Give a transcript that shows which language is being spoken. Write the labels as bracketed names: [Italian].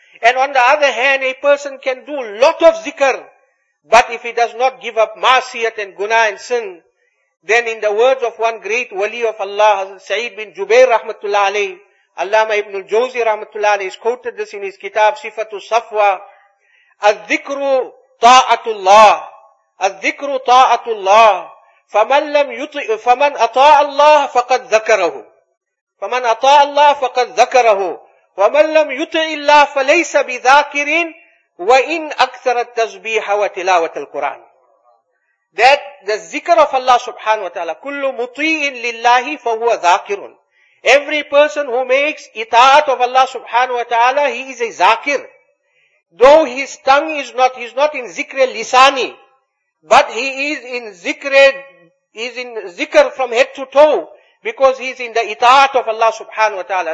[English] And on the other hand, a person can do lot of zikr, but if he does not give up Masiyat and Guna and sin, then in the words of one great wali of Allah, Hazrat Sa'id bin Jubair rahmatullah alayhi, Allama Ibn al-Jawzi rahmatullah alayhi, has quoted this in his kitab, Sifatul Safwa, Al-Dhikru Ta'atullah. [Arabic] الذكر طاعة الله فمن لم يطئ فمن أطاع الله فقد ذكره فمن أطاع الله فقد ذكره ومن لم يطئ الله فليس بذاكر وإن أكثر التسبيح وتلاوة القرآن. [English] That the zikr of Allah subhanahu wa ta'ala, [Arabic] كل مطيع لله فهو ذاكر. [English] Every person who makes itaat of Allah subhanahu wa ta'ala, he is a zakir. Though his tongue is not, he's not in zikr lisani, but he is in zikr, is in zikr from head to toe, because he is in the itaat of Allah subhanahu wa ta'ala.